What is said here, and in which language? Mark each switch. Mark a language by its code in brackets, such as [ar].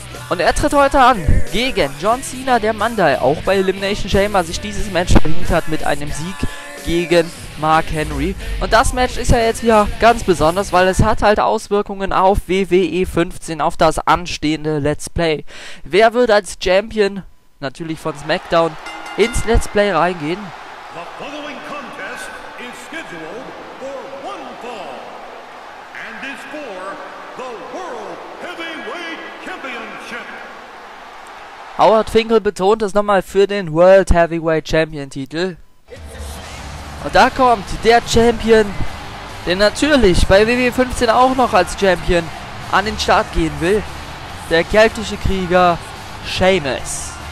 [de] Und er tritt heute an gegen John Cena, der Mann, der auch bei Elimination Chamber sich dieses Match verdient hat mit einem Sieg gegen Mark Henry. Und das Match ist ja jetzt wieder ganz besonders, weil es hat halt Auswirkungen auf WWE 15, auf das anstehende Let's Play. Wer wird als Champion, natürlich von SmackDown, ins Let's Play reingehen? [en] The following contest is scheduled for one fall and is for the World Heavyweight Championship. [de] Howard Finkel betont es nochmal für den World Heavyweight Champion Titel. Und da kommt der Champion, der natürlich bei WWE 15 auch noch als Champion an den Start gehen will. Der keltische Krieger Sheamus.